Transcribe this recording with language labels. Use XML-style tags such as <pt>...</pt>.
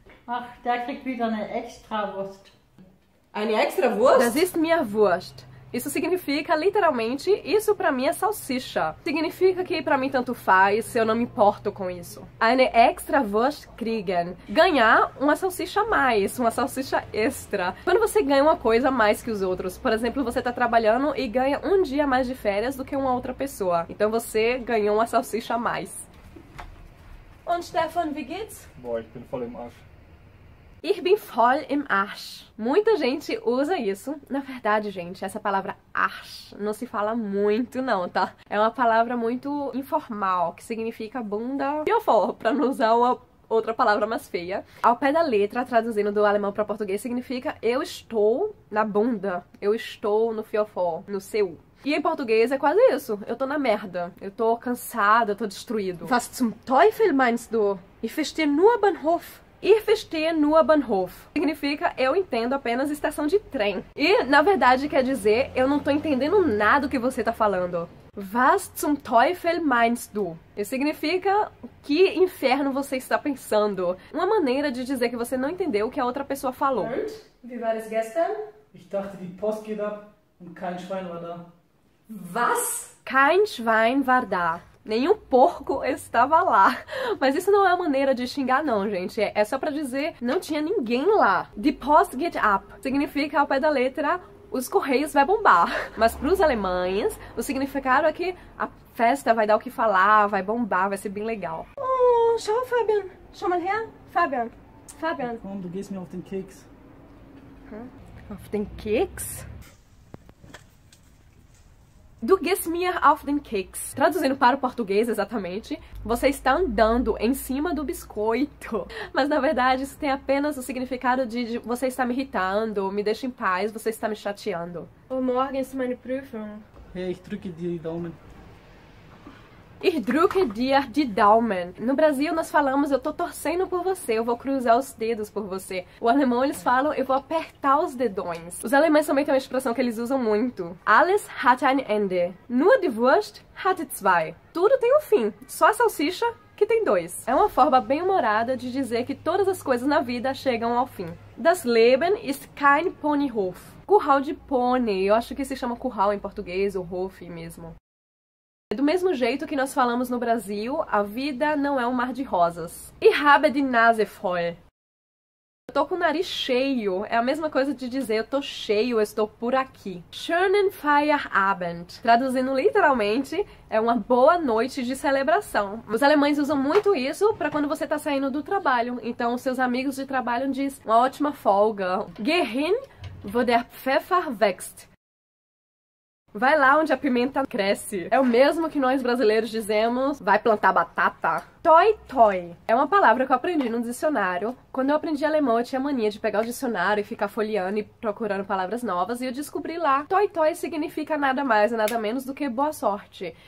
<de>Ach, der kriegt wieder eine extra Wurst. Eine extra Wurst? Das ist mir wurscht.</de> <pt>Isso significa, literalmente, isso pra mim é salsicha. Significa que pra mim tanto faz, eu não me importo com isso.</pt> <de>Eine extra Wurst kriegen.</de> <pt>Ganhar uma salsicha a mais, uma salsicha extra. Quando você ganha uma coisa a mais que os outros. Por exemplo, você tá trabalhando e ganha um dia a mais de férias do que uma outra pessoa. Então você ganhou uma salsicha a mais.</pt> <de>Und Stefan, wie geht's? Boah, ich bin voll im Arsch. Ich bin voll im Arsch.</de> <pt>Muita gente usa isso. Na verdade, gente, essa palavra Arsch não se fala muito não, tá? É uma palavra muito informal, que significa bunda. Piofó, pra não usar uma outra palavra mais feia. Ao pé da letra, traduzindo do alemão para português, significa eu estou na bunda. Eu estou no fiofó, no seu. E em português é quase isso. Eu tô na merda. Eu tô cansada, eu tô destruído.</pt> <de>Was zum Teufel meinst du? Ich verstehe nur Bahnhof. Ich verstehe nur Bahnhof.</de> <pt>Significa eu entendo apenas estação de trem. E, na verdade, quer dizer eu não tô entendendo nada do que você tá falando.</pt> <de>Was zum Teufel meinst du?</de> <pt>Isso significa que inferno você está pensando. Uma maneira de dizer que você não entendeu o que a outra pessoa falou.</pt> <de>Und? Wie war es gestern? Ich dachte, die Post geht ab und kein Schwein war da. Was? Kein Schwein war da.</de> <pt>Nenhum porco estava lá. Mas isso não é uma maneira de xingar não, gente. É só pra dizer, não tinha ninguém lá.</pt> <de>The Post geht ab.</de> <pt>Significa, ao pé da letra, os correios vai bombar. Mas pros alemães, o significado é que a festa vai dar o que falar, vai bombar, vai ser bem legal.</pt> <de>Oh, schau Fabian. Schau mal her. Fabian. Fabian. Komm, du gehst mir auf den Keks. Auf den Keks? Du gehst mir auf den Keks.</de> <pt>Traduzindo para o português, exatamente, você está andando em cima do biscoito. Mas, na verdade, isso tem apenas o significado de você está me irritando, me deixa em paz, você está me chateando.</pt> <de>Oh, morgen ist meine Prüfung. Hey, ich drücke dir die Daumen. Ich drücke dir die Daumen.</de> <pt>No Brasil, nós falamos, eu tô torcendo por você, eu vou cruzar os dedos por você. O alemão, eles falam, eu vou apertar os dedões. Os alemães também têm uma expressão que eles usam muito.</pt> <de>Alles hat ein Ende. Nur die Wurst hat zwei.</de> <pt>Tudo tem um fim, só a salsicha que tem dois. É uma forma bem humorada de dizer que todas as coisas na vida chegam ao fim.</pt> <de>Das Leben ist kein Ponyhof.</de> <pt>Curral de pônei, eu acho que se chama curral em português, ou Hof mesmo. Do mesmo jeito que nós falamos no Brasil, a vida não é um mar de rosas.</pt> <de>Ich habe die Nase voll.</de> <pt>Eu tô com o nariz cheio. É a mesma coisa de dizer eu tô cheio, eu estou por aqui.</pt> <de>Schönen Feierabend.</de> <pt>Traduzindo literalmente, é uma boa noite de celebração. Os alemães usam muito isso pra quando você tá saindo do trabalho. Então, seus amigos de trabalho dizem uma ótima folga.</pt> <de>Gehin, wo der Pfeffer wächst.</de> <pt>Vai lá onde a pimenta cresce. É o mesmo que nós brasileiros dizemos, vai plantar batata. Toi, toi. É uma palavra que eu aprendi num dicionário. Quando eu aprendi alemão, eu tinha mania de pegar o dicionário e ficar folheando e procurando palavras novas. E eu descobri lá. Toi, toi significa nada mais e nada menos do que boa sorte.</pt>